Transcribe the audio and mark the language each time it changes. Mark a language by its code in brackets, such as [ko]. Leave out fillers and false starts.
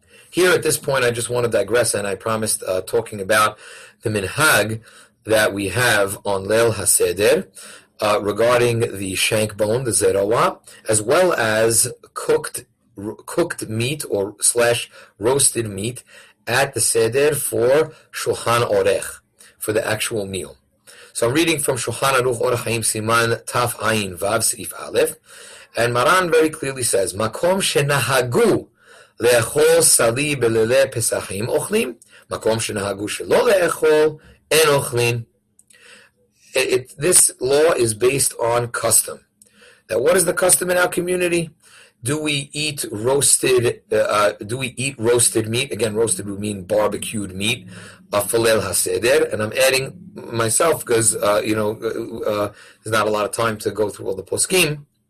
[en] Here at this point, I just want to digress, and I promised talking about the minhag that we have on Leil HaSeder regarding the shank bone, the zerowa, as well as cooked meat or slash roasted meat at the seder for Shulchan Orech, for the actual meal. So I'm reading from Shulchan Aruch Or HaChaim Siman Taf Ayin Vav Seif Aleph, and Maran very clearly says, [he] Makom shenahagu לאכול סלי בלילי פסחים אוכלים, מקום שנהגו שלא לאכול, אין אוכלים. [en] This law is based on custom. Now, what is the custom in our community? Do we eat roasted meat? Again, roasted would mean barbecued meat. Leil HaSeder, and I'm adding myself because, there's not a lot of time to go through all the poskim.